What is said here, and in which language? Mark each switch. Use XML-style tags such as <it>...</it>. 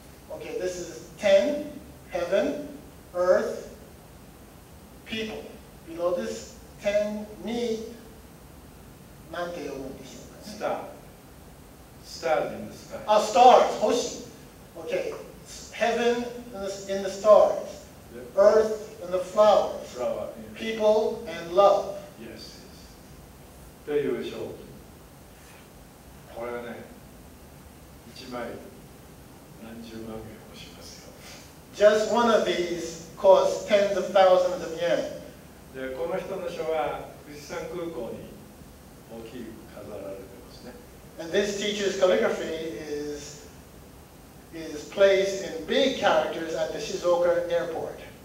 <en>Okay, this is ten, heaven, earth, people. Below this ten, me,</en> <ja>なんて読むんでしょうか?</ja> <en>Star. Star in the sky. Ah, stars, 星. Okay, heaven in the stars, earth, and the flowers. Flower, yes. People and love. Yes, yes.</en> <ja>という章. これはね、 1枚何十万円もしますよ.</ja> <en>Just one of these costs tens of thousands of yen.</en> <ja>で、この人の書は富士山空港に大きく飾られてますね.</ja> <en>And this teacher's calligraphy is placed in big characters at the Shizuoka airport.</en>